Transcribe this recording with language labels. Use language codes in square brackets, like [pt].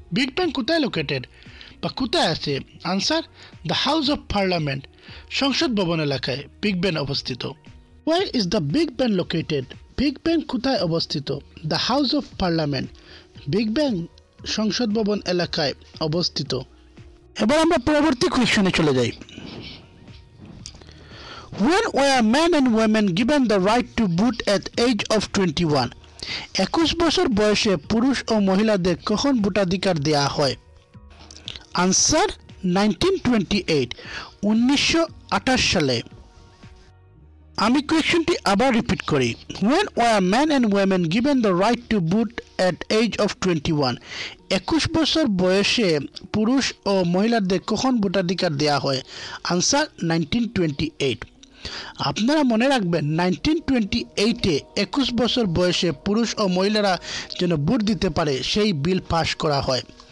[bn] Big ban কোথায় located বা কোথায় আছে? Answer, the house of parliament, সংসদ ভবন এলাকায় বিগ ব্যান অবস্থিত। [en] Where is the Big Ben located? [bn] Big ban কোথায় অবস্থিত? The house of parliament, big ban সংসদ ভবন এলাকায় অবস্থিত। এবার আমরা পরবর্তী কোয়েশ্চনে চলে যাই। [en] When were men and women given the right to vote at age of 21? [bn] 21 বছর বয়সে পুরুষ ও মহিলাদের কখন ভোটাধিকার দেয়া হয়? আনসার, 1928, 1928 সালে। আমি কোয়েশ্চনটি আবার রিপিট করি, [en] When were men and women given the right to vote at age of 21? [bn] 21 বছর বয়সে পুরুষ ও মহিলাদের কখন ভোটাধিকার দেয়া হয়? আনসার, 1928। আপনারা মনে রাখবেন 1928-এ 21 বছর বয়সে পুরুষ ও মহিলারা যেন ভোট দিতে পারে সেই বিল পাস করা হয়।